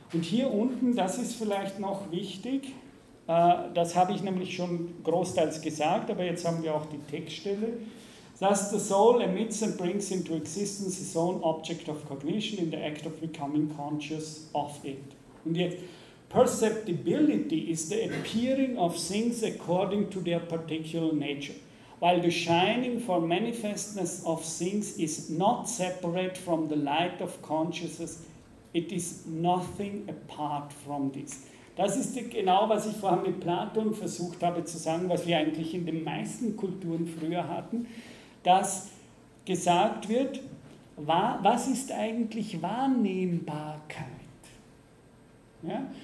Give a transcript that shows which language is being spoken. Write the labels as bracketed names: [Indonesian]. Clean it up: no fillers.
[German] Und hier unten, das ist vielleicht noch wichtig, das habe ich nämlich schon großteils gesagt, aber jetzt haben wir auch die Textstelle. [English] Thus the soul emits and brings into existence its own object of cognition in the act of becoming conscious of it. [German] Und jetzt, [English] Perceptibility is the appearing of things according to their particular nature, while the shining for manifestness of things is not separate from the light of consciousness. It is nothing apart from this. [German] Das ist genau, was ich vorhin mit Platon versucht habe zu sagen, was wir eigentlich in den meisten Kulturen früher hatten, dass gesagt wird, was ist eigentlich Wahrnehmbarkeit? Ja?